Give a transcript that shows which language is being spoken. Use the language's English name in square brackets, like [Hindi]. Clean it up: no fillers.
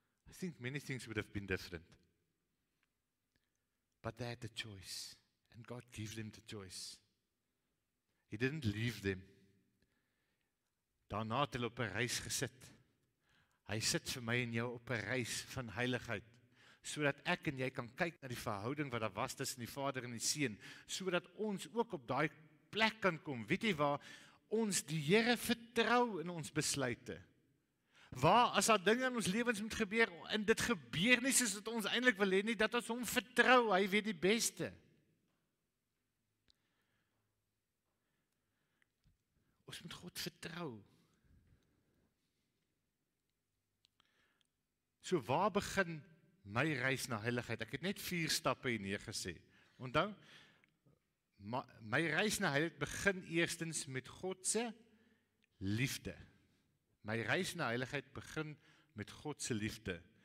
[English] I think many things would have been different. But they had a choice, and God gave them the choice. He didn't leave them. [Afrikaans] Daarna het hulle op een reis gesit. Hy sit vir my en jou op een reis van heiligheid, sodat ek en jy kan kyk na die verhouding wat daar was tussen die Vader en die Seun, sodat ons ook op daai plek kan kom, weet jy waar, ons die Here vertrou in ons besluite. Waar, as daar dinge in ons lewens moet gebeur, en dit gebeur nie soos dat ons eindelijk wil hê nie, dat ons hom vertrou, hy weet die beste. Ons moet God vertrou. So waar begin my reis na heiligheid? Ek het net 4 stappe hier neergesê. Onthou, my reis na heiligheid begin eerstens met Godse liefde. My reis na heiligheid begin met Godse liefde.